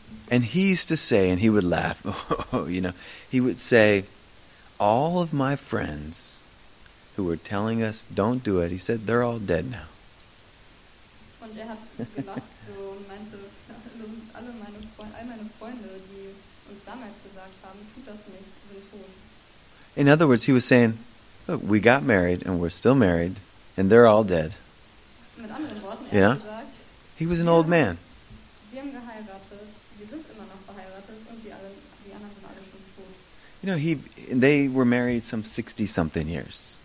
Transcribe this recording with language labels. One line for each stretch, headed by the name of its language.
English: And he used to say, and he would laugh, you know, he would say, all of my friends who were telling us don't do it, he said, they're all dead now.
German: Und er hat gelacht, so meinte, all meine Freunde, die uns damals gesagt haben, tut das nicht, sind tot.
English: In other words, he was saying, look, we got married and we're still married and they're all dead.
German: Mit anderen Worten, er hat gesagt,
English: he was an old man.
German: Wir haben geheiratet, wir sind immer noch verheiratet und die anderen sind alle schon tot.
English: You know, they were married some 60 something years.